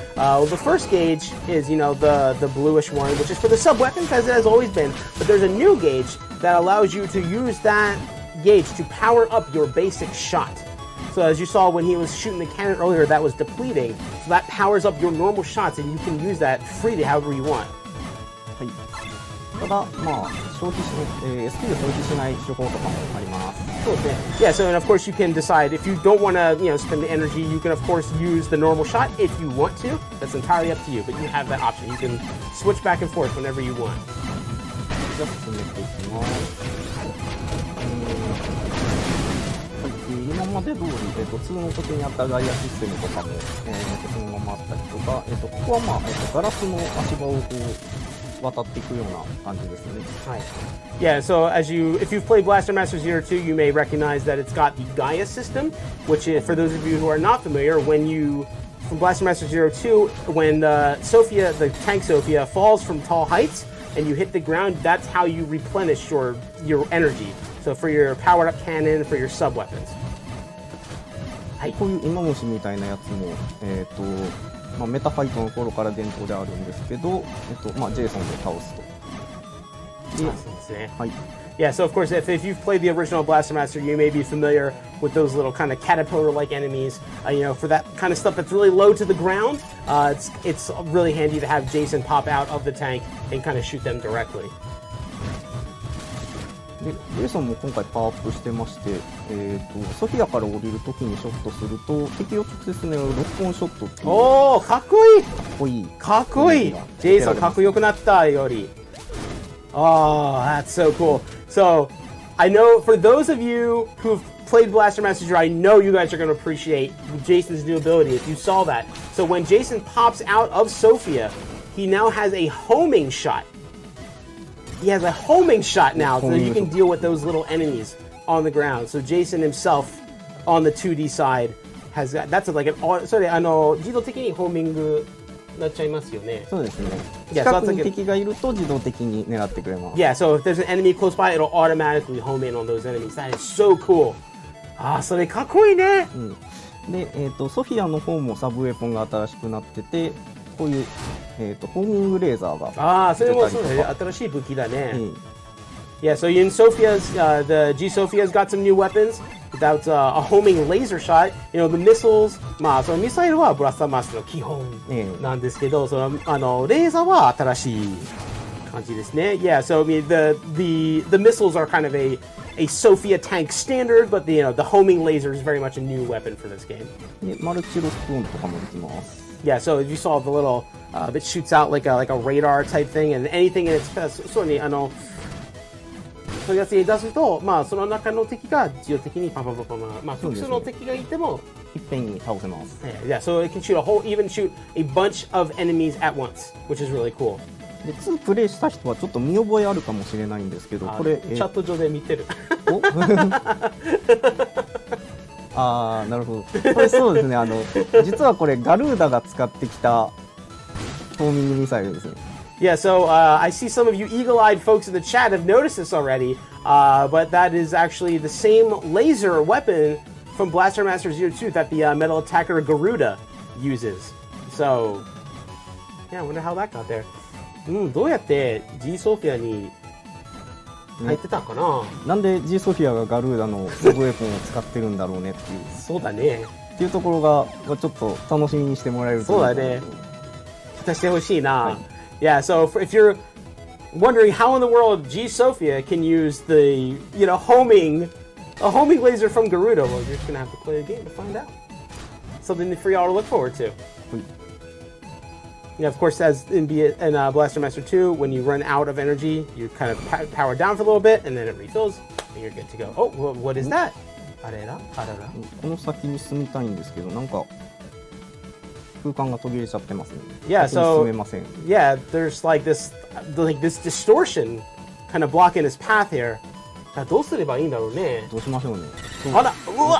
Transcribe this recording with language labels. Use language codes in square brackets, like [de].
[en] Well, the first gauge is, you know, the bluish one, which is for the sub weapons, as it has always been, but there's a new gauge that allows you to use that gauge to power up your basic shot. So, as you saw when he was shooting the cannon earlier, that was depleting. That powers up your normal shots, and you can use that freely however you want. [ja] はい。ただ、まあ、消費しない、SP を消費しない手法とかもあります。そうですね。 [en] Yeah, so and of course you can decide if you don't want to, you know, spend the energy, you can of course use the normal shot if you want to. That's entirely up to you, but you have that option. You can switch back and forth whenever you want. [ja] じゃあ進めていきます。今まで通り、通の時にあったガイアシステムとかも、そのままあったりとか、ここは、まあガラスの足場をこう渡っていくような感じですね。はい。 [en] Yeah, so as you, if you've played Blaster Master Zero 2, you may recognize that it's got the Gaia system, which is, for those of you who are not familiar, when you, from Blaster Master Zero 2, when the Sophia, the tank Sophia, falls from tall heights and you hit the ground, that's how you replenish your energy. So for your powered up cannon, for your sub weapons. [ja] はい。こういう馬虫みたいなやつも、まあ、メタファイトの頃から伝統であるんですけど、まあ、ジェイソンで倒すと。そうですね。はい。 [en] Yeah, so of course, if you've played the original Blaster Master, you may be familiar with those little kind of caterpillar-like enemies. You know, for that kind of stuff that's really low to the ground, it's really handy to have Jason pop out of the tank and kind of shoot them directly. [ja] でジェイソンも今回パワーアップしてまして、ソフィアから降りるときにショットすると敵を直接狙うロックオンショットっていう。おー、かっこいい、かっこいい、かっこいい。ジェイソンかっこよくなったより。 [en] おー、 that's so cool. So I know for those of you who've played Blaster Master Zero, I know you guys are going to appreciate Jason's new ability if you saw that. So when Jason pops out of Sophia, he now has a homing shotHe has a homing shot now, so you can deal with those little enemies on the ground. So Jason himself, on the 2D side, has got, that's like an, sorry, [ja] あの、自動的にホーミングなっちゃいますよね。そうですね。 Yeah, 近くに敵がいると自動的に狙ってくれます。 [en] Yeah, so if there's an enemy close by, it'll automatically home in on those enemies. That is so cool. [ja] ああ、それかっこいいね。うん。で、ソフィアの方もサブウェポンが新しくなってて、こういう、ホーミングレーザーが。ああ、それもそうですね。新しい武器だね。うん、 [en] yeah, so in Sophia's, the G Sophia's got some new weapons. That's a homing laser shot. You know, the missiles. [ja] まあ、そのミサイルはブラスターマスの基本なんですけど、その、あの、レーザーは新しい感じですね。 [en] Yeah, so I mean, the missiles are kind of a Sophia tank standard, but the, you know, the homing laser is very much a new weapon for this game. [ja] マルチロックオンとかもできます。 [en] Yeah, so you saw the little, it shoots out like a radar type thing, and anything in its path, [ja] そうね、あの、取り出すと、まあ、その中の敵が自動的にパパパパパ、まあ、複数の敵がいても、いっぺんに倒せます。 [en] Yeah, so it can shoot a whole, even shoot a bunch of enemies at once, which is really cool. [ja] で、2プレイした人はちょっと見覚えあるかもしれないんですけど、これ、チャット上で見てる。おあー、なるほど。これそうですね、あの、実はこれガルーダが使ってきたホーミングミサイルですね。 [en] Yeah, so, I see some of you eagle-eyed folks in the chat have noticed this already, but that is actually the same laser weapon from Blaster Master Zero 2 that the, Metal Attacker Garuda uses. So, yeah, I wonder how that got there. [ja] うん、どうやって G ソフィアに入ってたかな、うん、なんでジーソフィアがガルーダのロブウェポンを使ってるんだろうねっていうそうだねっていうところがちょっと楽しみにしてもらえるとそうだね期待してほしいな、はい、 [en] Yeah, so if you're wondering how in the world G Sophia can use the, you know, homing laser from Garuda, well, you're just gonna have to play a game to find out. Something for y'all to look forward to. Yeah, of course, as in Blaster Master 2, when you run out of energy, you kind of power down for a little bit, and then it refills, and you're good to go. Oh, well, what is that? [ja] あれだ。この先に進みたいんですけど、なんか空間が途切れちゃってますね。 [en] Yeah, so, [ja] 先に進めません。 [en] Yeah, there's like this distortion kind of blocking his path here. [ja] どうすればいいんだろうね。どうしましょうね。あら、うわ。